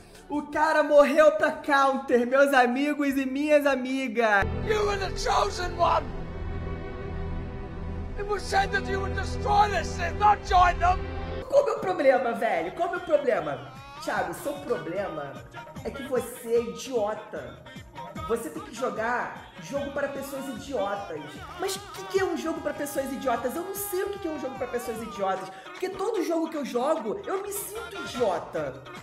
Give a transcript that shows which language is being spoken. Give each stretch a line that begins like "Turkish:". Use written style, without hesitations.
Portuguese: O cara morreu pra counter, meus amigos e minhas amigas!
English: You were the chosen one! It was said that you would destroy this and not join them!
Portuguese: Qual é o problema, velho? Qual é o problema? Thiago, seu problema é que você é idiota. Você tem que jogar jogo para pessoas idiotas. Mas o que é um jogo para pessoas idiotas? Eu não sei o que é um jogo para pessoas idiotas. Porque todo jogo que eu jogo, eu me sinto idiota.